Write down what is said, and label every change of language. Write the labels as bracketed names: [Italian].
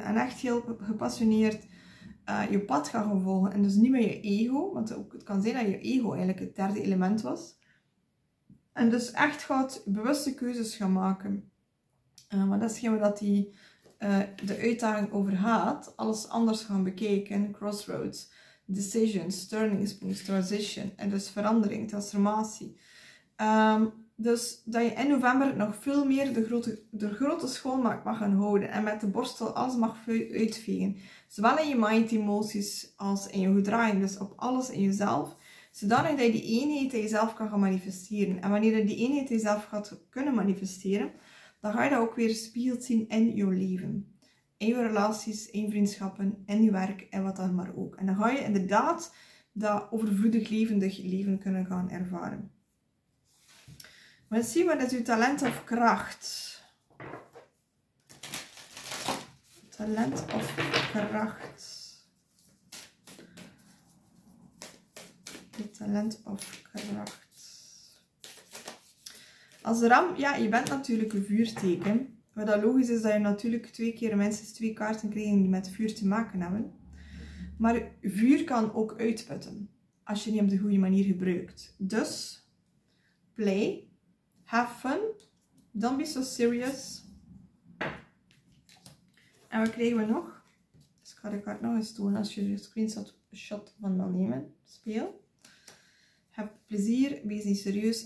[Dutch] En echt heel gepassioneerd je pad gaat gaan volgen. En dus niet meer je ego. Want het kan zijn dat je ego eigenlijk het derde element was. En dus echt gaat bewuste keuzes gaan maken. Maar dat is hetgeen waar hij de uitdaging over gaat. Alles anders gaan bekijken. [English] Crossroads, decisions, turning points, transition. [Dutch] En dus verandering, transformatie. Dus dat je in november nog veel meer de grote schoonmaak mag gaan houden. En met de borstel alles mag uitvegen. Zowel in je mind, emoties als in je gedraging. Dus op alles in jezelf. Zodanig dat je die eenheid in jezelf kan gaan manifesteren. En wanneer je die eenheid in jezelf gaat kunnen manifesteren, dan ga je dat ook weer spiegeld zien in je leven. In je relaties, in je vriendschappen, in je werk en wat dan maar ook. En dan ga je inderdaad dat overvloedig levendig leven kunnen gaan ervaren. Maar zie, wat is je talent of kracht? talent of kracht. Je talent of kracht. Als ram, ja, je bent natuurlijk een vuurteken. Maar dat logisch is dat je natuurlijk twee keer minstens twee kaarten krijgt die met vuur te maken hebben. Maar vuur kan ook uitputten, als je die op de goede manier gebruikt. [English] Dus, play, have fun, don't be so serious. [Dutch] En wat krijgen we nog? Dus ik ga de kaart nog eens tonen als je de screenshot van wil nemen. Speel. Heb plezier, wees niet serieus.